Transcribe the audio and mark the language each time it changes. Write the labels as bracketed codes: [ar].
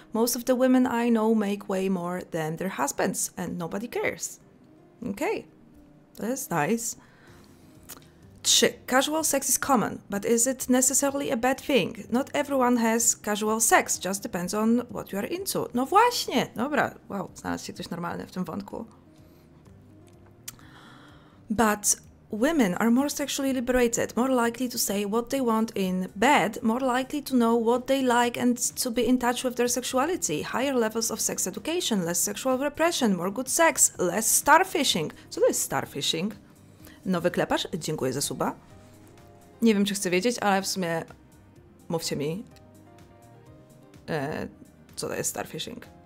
[en] Most of the women I know make way more than their husbands and nobody cares. Okay, that's nice. 3. Casual sex is common, but is it necessarily a bad thing? Not everyone has casual sex, just depends on what you are into. [pl] No właśnie! Dobra, wow, znalazł się ktoś normalny w tym wątku. But [en] women are more sexually liberated, more likely to say what they want in bed, more likely to know what they like and to be in touch with their sexuality, higher levels of sex education, less sexual repression, more good sex, less starfishing. [pl] Co to jest starfishing? Nowy klepacz? Dziękuję za suba. Nie wiem, czy chcę wiedzieć, ale w sumie mówcie mi, co to jest starfishing.